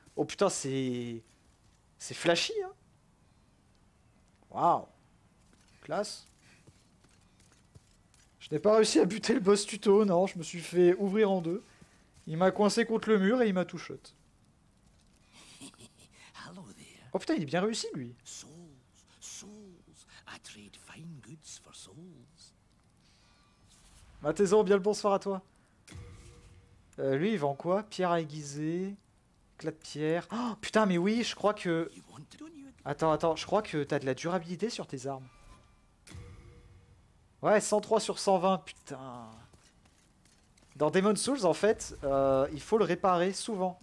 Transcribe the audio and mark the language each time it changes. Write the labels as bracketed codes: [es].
[fr] Oh putain, c'est flashy hein. Waouh. Classe. Je n'ai pas réussi à buter le boss tuto, non, je me suis fait ouvrir en deux. Il m'a coincé contre le mur et il m'a tout shot. Oh putain, il est bien réussi lui. [en] Souls, I trade fine goods for souls. [fr] Mathézo, bien le bonsoir à toi. Lui, il vend quoi? Pierre à aiguiser, éclat de pierre. Oh putain, mais oui, je crois que... Attends, je crois que t'as de la durabilité sur tes armes. Ouais, 103 sur 120, putain. Dans Demon's Souls, en fait, il faut le réparer souvent.